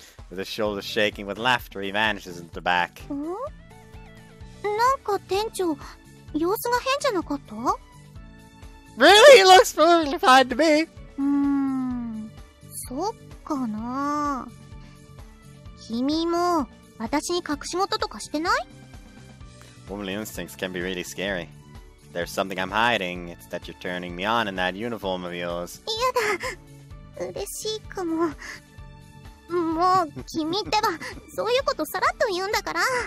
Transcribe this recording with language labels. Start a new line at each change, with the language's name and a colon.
English: With his shoulders shaking with laughter, he vanishes into the back.
Japanese: なんか店長、様子が変じゃなかった
English: ？Really? He looks perfectly fine to me.
Japanese: そっかな君も私に隠し事とかしてない
English: Womanly instincts can be really scary. There's something I'm hiding. It's that you're turning me on in that uniform of yours.
Japanese: いやだ。嬉しいかも。もう君ってばそういうことさらっと言うんだから。